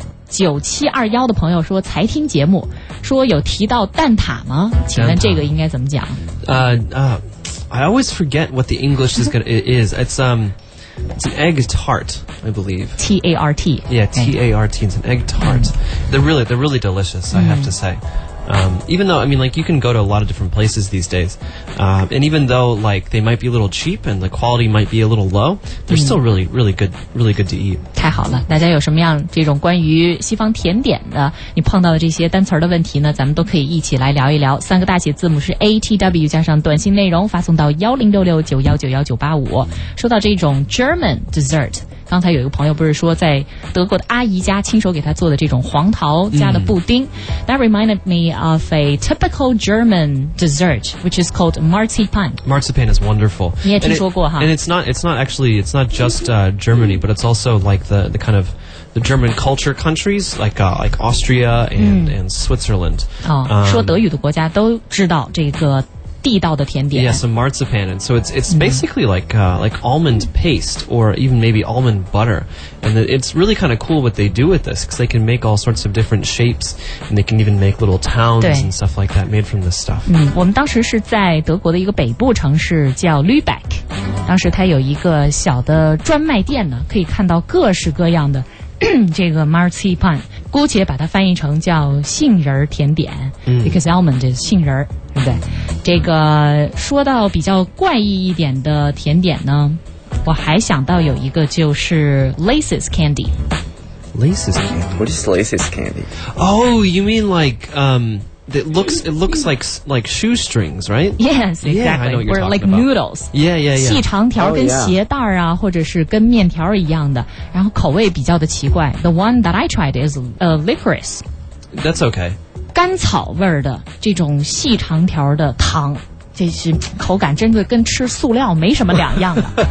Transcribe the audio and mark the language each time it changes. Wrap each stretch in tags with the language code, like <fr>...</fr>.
<zh>9721的朋友说才听节目，说有提到蛋挞吗？请问这个应该怎么讲？</zh> <en>I always forget what the English is gonna is. It's an egg tart, I believe. T A R T. Yeah, T A R T. It's an egg tart.、嗯、they're really delicious. I have to say.、even though I mean, like you can go to a lot of different places these days,、and even though like they might be a little cheap and the quality might be a little low, they're、嗯、still really, really good, really good to eat.</en> <zh>太好了，大家有什么样这种关于西方甜点的，你碰到的这些单词的问题呢？咱们都可以一起来聊一聊。三个大写字母是 A T W 加上短信内容，发送到10669191985。说到这种 German dessert。刚才有一个朋友不是说在德国的阿姨家亲手给他做的这种黄桃加的布丁、嗯、</zh> <en>That reminded me of a typical German dessert, which is called Marzipan. Marzipan is wonderful.</en> <zh>你也听说过哈。</zh> <en>And it's not just Germany, but it's also like the kind of the German culture countries, like Austria and Switzerland.、</en> <zh>哦、说德语的国家都知道这个地道的甜点。</zh> <en>Yes, a marzipan. And so it's basically like almond paste or even maybe almond butter. And it's really kind of cool what they do with this because they can make all sorts of different shapes and they can even make little towns and stuff like that made from this stuff.</en> <zh>嗯，我们当时是在德国的一个北部城市叫 Lübeck. 当时它有一个小的专卖店呢，可以看到各式各样的这个 marzipan， 姑且把它翻译成叫杏仁甜点、嗯、</zh> <en>because almond is</en> <zh>杏仁，对不对？这个说到比较怪异一点的甜点呢，我还想到有一个就是 laces candy。</zh> <en>laces candy? What is laces candy? Oh, you mean like it looks like shoestrings, right? Yes, exactly. Yeah, I know what you're talking Or like noodles. Yeah, yeah, yeah.</en> <zh>细长条跟鞋带啊、</zh> <en>oh, yeah.</en> <zh>或者是跟面条一样的，然后口味比较的奇怪。</zh> <en>The one that I tried is licorice. That's okay.</en> <zh>甘草味的这种细长条的糖，这是口感真的跟吃塑料没什么两样的。</zh>